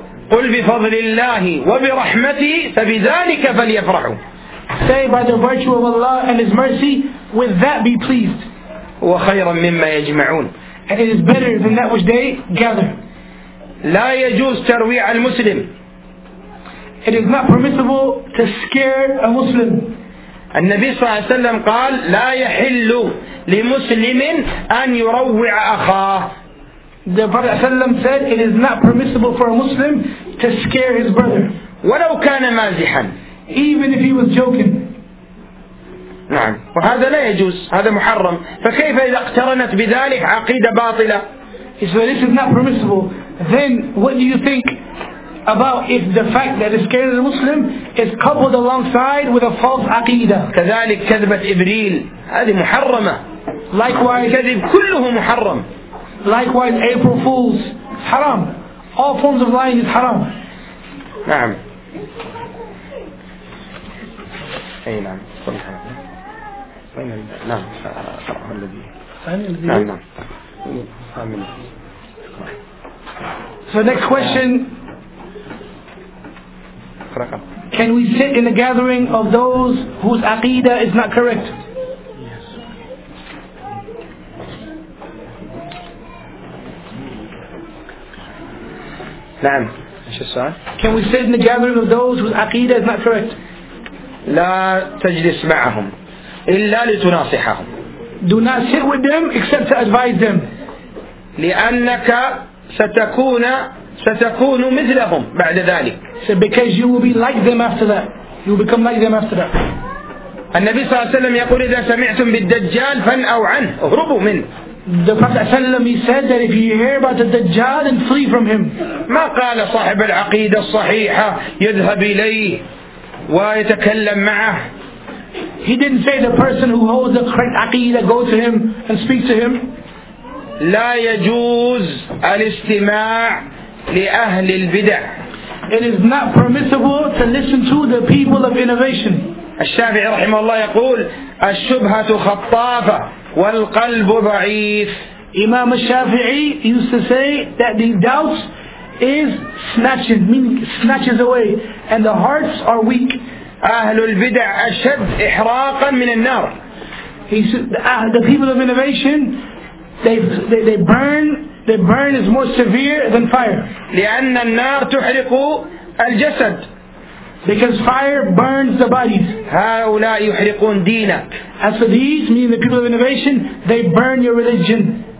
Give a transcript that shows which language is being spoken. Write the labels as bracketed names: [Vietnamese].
[Arabic] قل بفضل الله وبرحمته فبذلك فليفرحوا. [English] Say by the virtue of Allah and His mercy, with that be pleased. [Arabic] وخيرا مما يجمعون. [English] And it is better than that which they gather. [Arabic] لا يجوز ترويع المسلم. [English] It is not permissible to scare a Muslim. [Arabic] النبي صلى الله عليه وسلم قال لا يحل لمسلم أن يروع أخاه. [English] The Prophet ﷺ said, "It is not permissible for a Muslim to scare his brother." [Arabic] ولو كان مازحا. [English] Even if he was joking. [Arabic] نعم. وهذا لا يجوز. هذا محرم. فكيف إذا اقترنت بذلك عقيدة باطلة؟ [English] He said, "This is not permissible." Then what do you think about if the fact that it scares a Muslim is coupled alongside with a false عقيدة؟ [Arabic] كذلك كذبة إبريل هذه محرمة. [English] Likewise. [Arabic] الكذب كله محرم. [English] Likewise, April Fools, haram. All forms of lying is haram. [Arabic] نعم. أي نعم. صحيح. وين ال نعم. صحيح الذي. ثاني نعم. ثامن. [English] So next question. كركب. Can we sit in the gathering of those whose aqidah is not correct? [Arabic] نعم. إيش السؤال؟ [English] Can we sit in the gathering of those whose aqidah is not correct? [Arabic] لا تجلس معهم إلا لتناصحهم. [English] Do not sit with them except to advise them. [Arabic] لأنك ستكون مثلهم بعد ذلك. [English] So because you will be like them after that, you will become like them after that. [Arabic] النبي صلى الله عليه وسلم يقول إذا سمعتم بالدجال فانأوا عنه اهربوا منه. [English] The Prophet ﷺ, he said that if you hear about the Dajjal, then flee from him. [Arabic] ما قال صاحب العقيدة الصحيحة يذهب إليه ويتكلم معه. [English] He didn't say the person who holds the correct عقيدة go to him and speak to him. [Arabic] لا يجوز الاستماع لأهل البدع. [English] It is not permissible to listen to the people of innovation. [Arabic] الشافعي رحمه الله يقول الشبهة خطافة والقلب ضعيف. [English] Imam al-Shafi'i used to say that the doubts is snatching, meaning snatches away, and the hearts are weak. [Arabic] أهل البدع أشد إحراقا من النار. [English] The people of innovation, they burn is more severe than fire. [Arabic] لأن النار تحرق الجسد. [English] Because fire burns the bodies. [Arabic] هؤلاء يحرقون دينك. [English] As for these, meaning the people of innovation, they burn your religion.